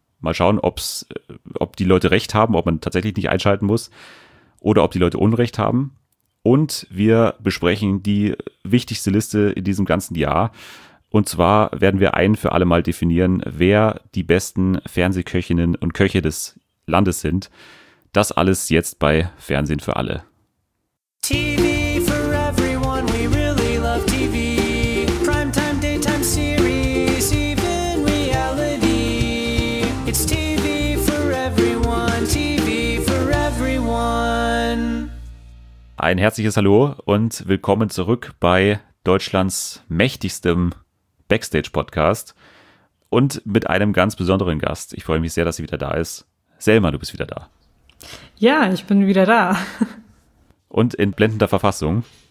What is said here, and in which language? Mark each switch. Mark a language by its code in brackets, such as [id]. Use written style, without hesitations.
[de] Mal schauen, ob die Leute recht haben, ob man tatsächlich nicht einschalten muss oder ob die Leute Unrecht haben. Und wir besprechen die wichtigste Liste in diesem ganzen Jahr. Und zwar werden wir ein für alle Mal definieren, wer die besten Fernsehköchinnen und Köche des Landes sind. Das alles jetzt bei Fernsehen für alle. [en] TV for everyone, we really love TV. Primetime, daytime, series, even reality. It's TV for everyone, TV for everyone. [de] Ein herzliches Hallo und willkommen zurück bei Deutschlands mächtigstem Backstage-Podcast und mit einem ganz besonderen Gast. Ich freue mich sehr, dass sie wieder da ist. Selma, du bist wieder da. Ja, ich bin wieder da. Und in blendender Verfassung.